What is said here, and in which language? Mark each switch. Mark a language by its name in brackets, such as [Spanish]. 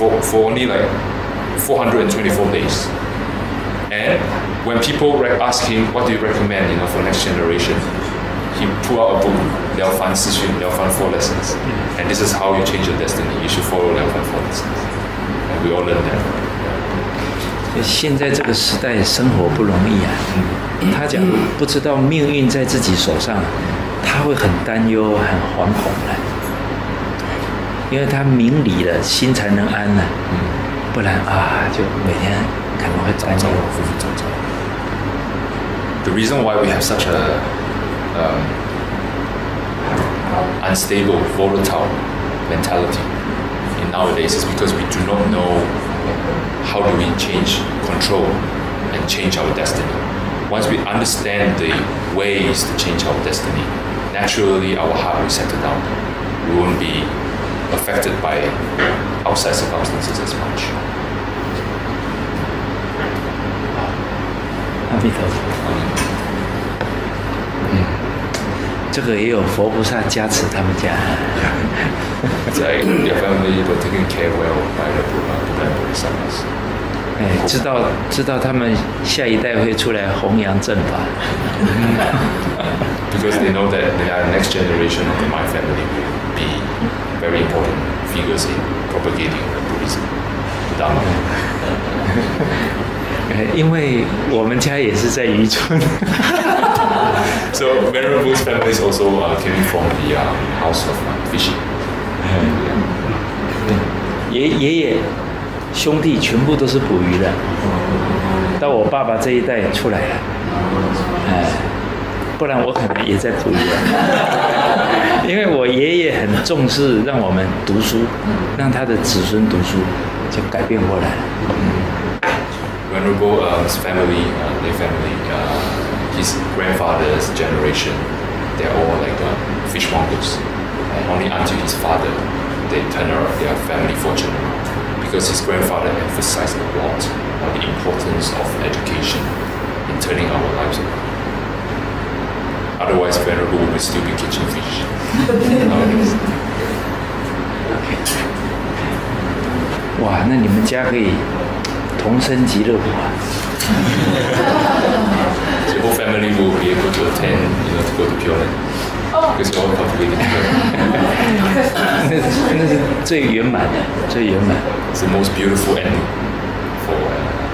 [English] For only like 424 days. And when people ask him, what do you recommend, you know, for next generation? He pull out a book, Liao Fan Si Xun, Liao Fan Four Lessons. And this is how you change your destiny. You should follow Liao Fan Four Lessons. And we all learn that. [Chinese] 现在这个时代生活不容易啊。他讲不知道命运在自己手上，他会很担忧，很惶恐的。因为他明理了，心才能安呢。不然啊，就每天可能会担忧，浮浮躁躁。 [English] The reason why we have such a unstable, volatile mentality in nowadays is because we do not know how do we change control and change our destiny. Once we understand the ways to change our destiny, naturally our heart will settle down. We won't be affected by outside circumstances as much. [Chinese] 阿弥陀佛。这个也有佛菩萨加持他们家。 [English] Their family were taken care well by the Buddha and Bodhisattva. [Chinese] 知道他们下一代会出来弘扬正法。 [English] Because they know that they are the next generation of my family will be very important figures in propagating the Buddhism, the Dharma. [Chinese] 因为我们家也是在渔村。 [English] So Venerable's family is also came from the house of fishing. [Chinese] 爷爷兄弟全部都是捕鱼的，到我爸爸这一代出来了，不然我可能也在捕鱼了。因为我爷爷很重视让我们读书，让他的子孙读书，就改变过来了。 [English] Venerable's family, their family, his grandfather's generation, they're all like fishmongers. Only until his father, they turn around their family fortune. Because his grandfather emphasized a lot on the importance of education in turning our lives around. Otherwise, Venerable would still be catching fish. [Chinese] Wow, 那你们家可以同生极乐国啊。 [English] The whole family will be able to attend, you know, to go to Pyongyang. Because you're all part of it. [Chinese] 那是最圆满的，最圆满。 [English] It's the most beautiful ending for the world.